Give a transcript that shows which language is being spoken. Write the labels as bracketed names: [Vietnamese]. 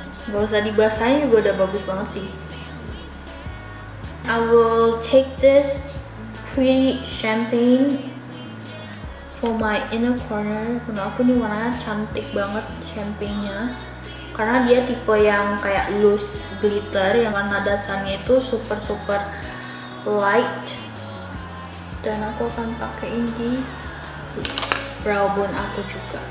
[Indonesian] Gak usah dibasahin juga udah bagus banget sih. [English] I will take this pretty champagne for my inner corner. [Indonesian] Karena aku ini warnanya cantik banget champagne-nya, karena dia tipe yang kayak loose glitter, yang warna dasarnya itu super light. Dan aku akan pakein di brow bone aku juga.